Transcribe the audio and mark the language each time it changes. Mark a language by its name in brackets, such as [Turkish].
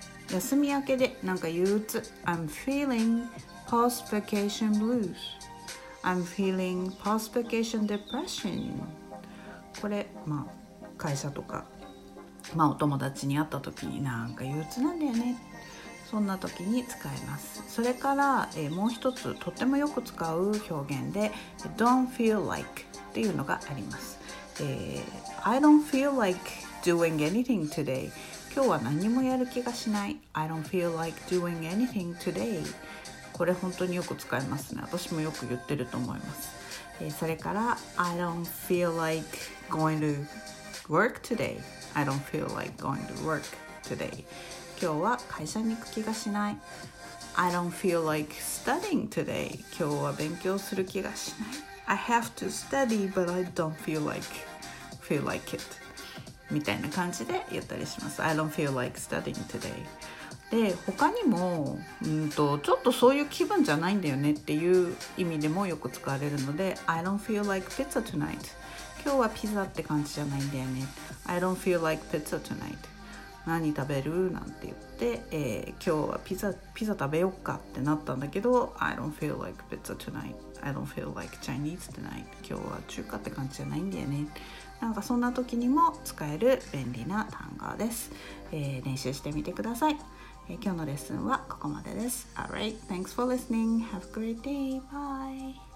[Japanese] 休み明けでなんか憂鬱、 [English] I'm feeling post vacation blues、 I'm feeling post vacation depression。 [Japanese] これ、まあ、会社とか、まあ、お友達に会った時になんか憂鬱なんだよね、そんな時に使えます。それから、もう一つとってもよく使う表現で [English] Don't feel like [Japanese] っていうのがあります。 [English] I don't feel like doing anything today、 [Japanese] 今日は何もやる気がしない。 [English] I don't feel like doing anything today。 [Japanese] これ本当によく使いますね。私もよく言ってると思います。それから [English] I don't feel like going to work today。 I don't feel like going to work today。 [Japanese] 今日は会社に行く気がしない。 [English] I don't feel like studying today。 [Japanese] 今日は勉強する気がしない。 [English] I have to study but I don't feel like it。 [Japanese] みたいな感じで言ったりします。 [English] I don't feel like studying today。 [Japanese] で、他にも、ちょっとそういう気分じゃないんだよねっていう意味でもよく使われるので、 [English] I don't feel like pizza tonight。 [Japanese] 今日はピザって感じじゃないんだよね。 [English] I don't feel like pizza tonight。 [Japanese] 何食べる？なんて言って、今日はピザ食べよっかってなったんだけど、 [English] I don't feel like pizza tonight。 I don't feel like Chinese tonight。 [Japanese] 今日は中華って感じじゃないんだよね。なんかそんな時にも使える便利な単語です。練習してみてください。今日のレッスンはここまでです。 [English] Alright, thanks for listening. Have a great day. Bye.